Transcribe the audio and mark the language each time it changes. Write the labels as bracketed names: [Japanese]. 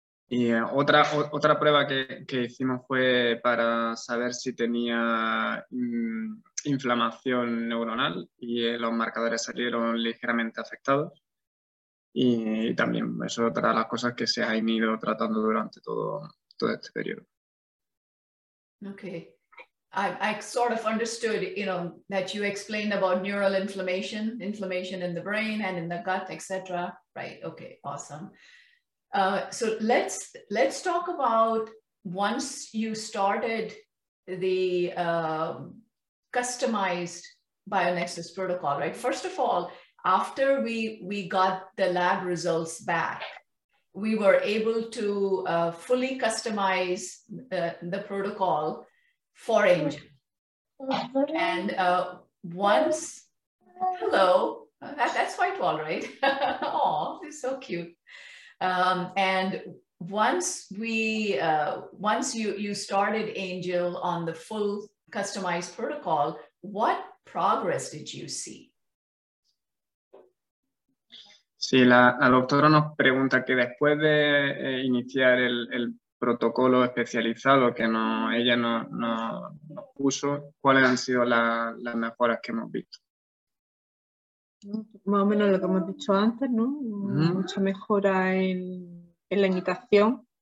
[Spanish] Y otra prueba que hicimos fue para saber si tenía inflamación neuronal, y los marcadores salieron ligeramente afectados. Y también es otra de las cosas que se ha ido tratando durante todo este periodo. [English] Okay. I sort of understood, you know, that you explained about neural inflammation in the brain and in the gut, etc. Right. Okay. Awesome. So let's talk about once you started the customized BioNexus protocol, right? First of all, after we got the lab results back, we were able to fully customize the protocol for Angel. And once, hello, that's quite all right. Oh, it's so cute. And once you started Angel on the full customized protocol, what progress did you see? [Spanish] Sí, la doctora nos pregunta que después de iniciar el protocolo especializado que ella nos puso, ¿cuáles han sido las mejoras que hemos visto? Más o menos lo que hemos dicho antes, ¿no? Uh-huh. Mucha mejora en la imitación.